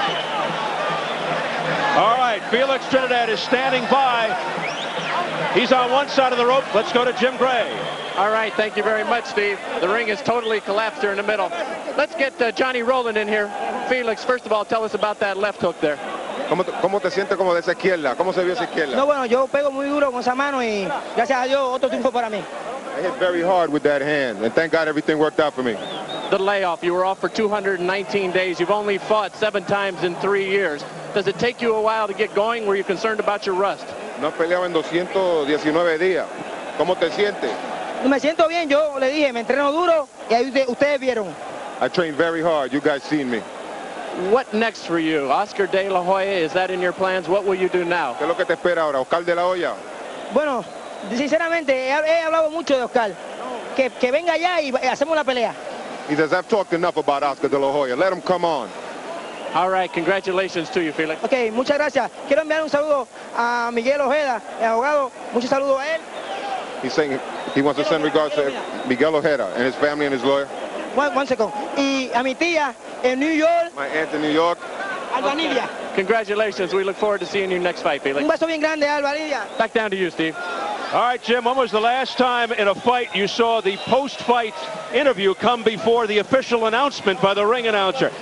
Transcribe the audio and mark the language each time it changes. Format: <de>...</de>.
<en>All right, Felix Trinidad is standing by. He's on one side of the rope. Let's go to Jim Gray. All right, thank you very much, Steve. The ring is totally collapsed here in the middle. Let's get Johnny Rowland in here. Felix, first of all, tell us about that left hook there.</en> <es>¿Cómo te sientes como de esa izquierda? ¿Cómo se vio esa izquierda? No, bueno, yo pego muy duro con esa mano y gracias a Dios, otro triunfo para mí.</es> <en>I hit very hard with that hand, and thank God everything worked out for me. The layoff, you were off for 219 days. You've only fought 7 times in 3 years. Does it take you a while to get going? Were you concerned about your rust?</en> <es>No peleaba en 219 días. ¿Cómo te sientes? Me siento bien. Yo le dije, me entreno duro y ahí ustedes vieron.</es> <en>I trained very hard. You guys seen me. What next for you? Oscar De La Hoya, is that in your plans? What will you do now?</en> <es>¿Qué es lo que te espera ahora? Oscar De La Hoya. Bueno, sinceramente, he hablado mucho de Oscar. Que venga allá y hacemos la pelea.</es> <en>He says, I've talked enough about Oscar De La Hoya. Let him come on. All right, congratulations to you, Felix.</en> <es>Okay, muchas gracias. Quiero enviar un saludo a Miguel Ojeda, el abogado. Muchos saludos a él.</es> <en>He's saying he wants to send regards to Miguel Ojeda and his family and his lawyer. One second.</en> <es>Y a mi tía en New York.</es> <en>My aunt in New York. Alba Nidia. Okay. Congratulations. We look forward to seeing you next fight, Felix.</en> <es>Un beso bien grande, Alba Nidia.</es> <en>Back down to you, Steve. All right, Jim, when was the last time in a fight you saw the post-fight interview come before the official announcement by the ring announcer?</en>